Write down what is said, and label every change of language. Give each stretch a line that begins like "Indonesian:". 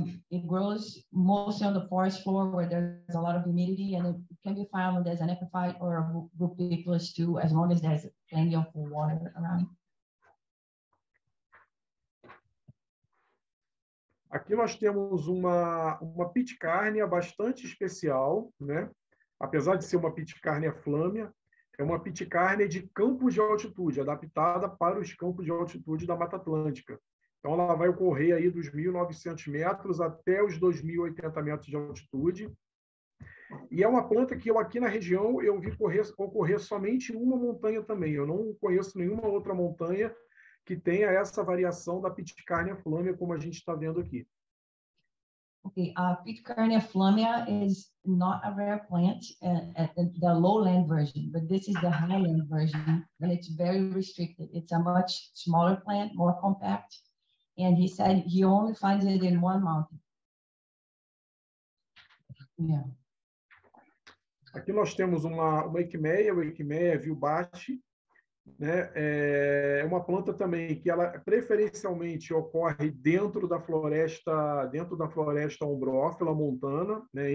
English: It grows mostly on the forest floor where there's a lot of humidity, and it can be found when there's an epiphyte or a rupiculus too, as long as there's plenty of water around.
Portuguese: Aqui nós temos uma pitcairnia bastante especial, né? Apesar de ser uma pitcairnia flâmea, é uma pitcairnia de campos de altitude, adaptada para os campos de altitude da Mata Atlântica. Então, ela vai ocorrer aí dos 1.900 metros até os 2.080 metros de altitude. E é uma planta que eu aqui na região eu vi ocorrer somente em uma montanha também. Eu não conheço nenhuma outra montanha que tenha essa variação da pitcairnia flâmea, como a gente está vendo aqui.
English: Ok, a pitcairnia flâmea is not a rare plant at the lowland version, but this is the highland version, and it's very restricted. It's a much smaller plant, more compact, and he said he only finds it in one mountain. Yeah.
Portuguese: Aqui nós temos uma equimeia, o equimeia vilbate. Né? É uma planta também que ela preferencialmente ocorre dentro da floresta ombrófila montana, né?